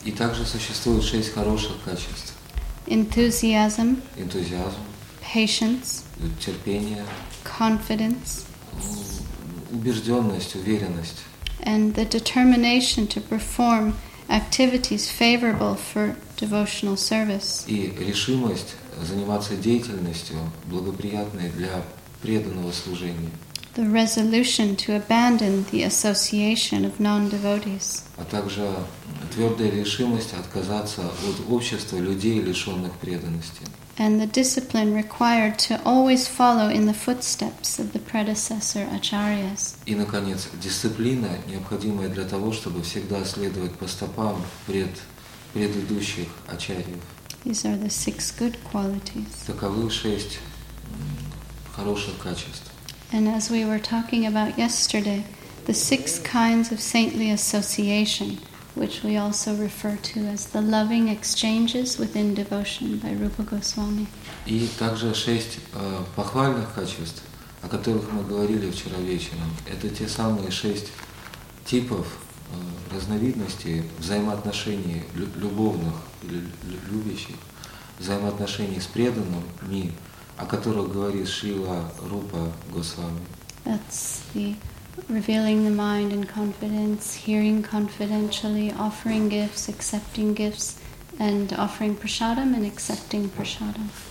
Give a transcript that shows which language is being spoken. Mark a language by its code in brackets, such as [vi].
[ru] И также существует шесть хороших качеств. [en] Enthusiasm. [ru] Энтузиазм. [en] Patience. [ru] Терпение. [en] Confidence. [ru] Убежденность, уверенность. [en] And the determination to perform activities favorable for devotional service. [ru] И решимость заниматься деятельностью, благоприятной для преданного служения. [en] The resolution to abandon the association of non-devotees. [ru] А также твердая решимость отказаться от общества людей, лишенных преданности. [en] And the discipline required to always follow in the footsteps of the predecessor acharyas. [ru] И, наконец, дисциплина, необходимая для того, чтобы всегда следовать по стопам предыдущих ачарьев. [en] These are the six good qualities. [ru] Таковы шесть хороших качеств. [en] And as we were talking about yesterday, the six kinds of saintly association, which we also refer to as the loving exchanges within devotion by Rupa Goswami. [ru] И также шесть похвальных качеств, о которых мы говорили вчера вечером. Это те самые шесть типов разновидностей взаимоотношений любовных или любящих, взаимоотношений с преданными, о которых говорит Шрила Рупа Госвами. [en] That's the revealing the mind in confidence, hearing confidentially, offering gifts, and offering prasadam and accepting prasadam.